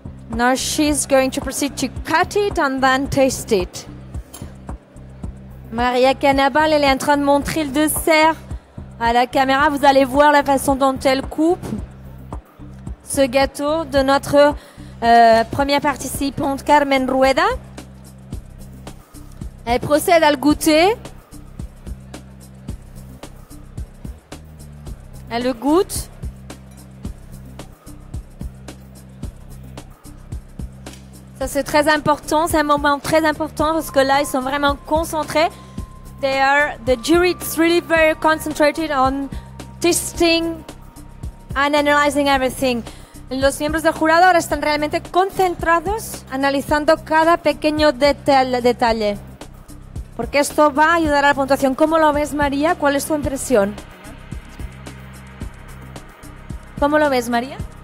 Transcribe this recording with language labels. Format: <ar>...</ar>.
<en>Now she's going to proceed to cut it and then taste it.</en> <fr>María Canaval, elle est en train de montrer le dessert à la caméra. Vous allez voir la façon dont elle coupe ce gâteau de notre première participante, Carmen Rueda. Elle procède à le goûter. Elle le goûte. Ça, c'est très important. C'est un moment très important parce que là, ils sont vraiment concentrés.</fr> <en>They are the jury is really very concentrated on tasting and analyzing everything.</en> <es>Los miembros del jurado ahora están realmente concentrados analizando cada pequeño detalle. Porque esto va a ayudar a la puntuación. ¿Cómo lo ves, María? ¿Cuál es tu impresión? ¿Cómo lo ves, María?</es>